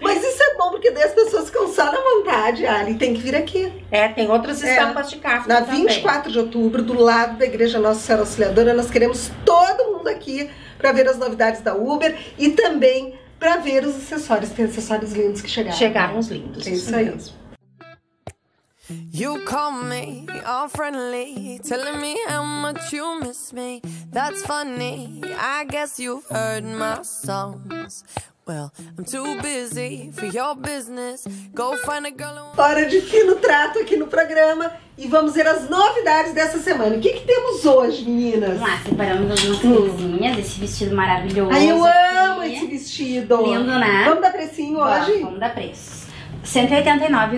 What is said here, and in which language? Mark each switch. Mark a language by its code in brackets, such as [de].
[pt] Mas isso é bom, porque daí as pessoas ficam só na vontade, Ali. Tem que vir aqui. É, tem outras estampas de café. Na 24 também. De outubro, do lado da Igreja Nossa Senhora Auxiliadora, nós queremos todo mundo aqui para ver as novidades da Uber e também para ver os acessórios. Tem acessórios lindos que chegaram. Chegaram os lindos. É isso aí. Mesmo. [en] You call me all friendly, telling me how much you miss me. That's funny, I guess you've heard my songs. Well, I'm too busy for your business. Go find a girl. [pt] Hora de fino trato aqui no programa e vamos ver as novidades dessa semana. O que que temos hoje, meninas? Vamos lá, separamos as nossas coisinhas, esse vestido maravilhoso. Ai, eu amo esse vestido. Lindo, né? Vamos dar precinho hoje? Bom, vamos dar preço. R$